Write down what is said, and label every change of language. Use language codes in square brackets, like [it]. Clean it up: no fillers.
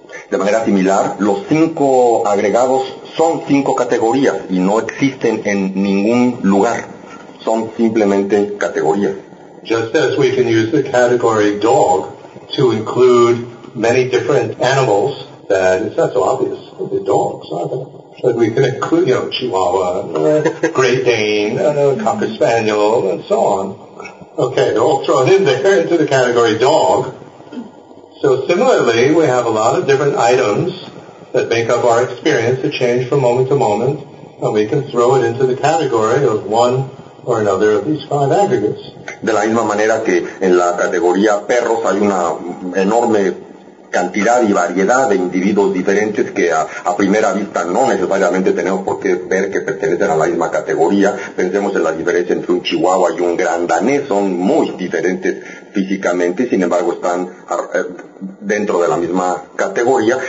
[es] De manera similar, los cinco agregados son cinco categorías y no existen en ningún lugar. Son simplemente categorías. [en] Just as we can use the category dog to include many different animals, that it's not so obvious that they're dogs, are they? But we can include, Chihuahua, Great Dane, Cocker Spaniel, and so on. Okay, they're all thrown in there into the category dog. So similarly, we have a lot of different items that make up our experience that change from moment to moment, and we can throw it into the category of one or another of these five aggregates. [es] De la misma manera que en la categoría perros hay una enorme cantidad y variedad de individuos diferentes que a primera vista no necesariamente tenemos por qué ver que pertenecen a la misma categoría. Pensemos en la diferencia entre un chihuahua y un gran danés. Son muy diferentes físicamente, sin embargo están dentro de la misma categoría.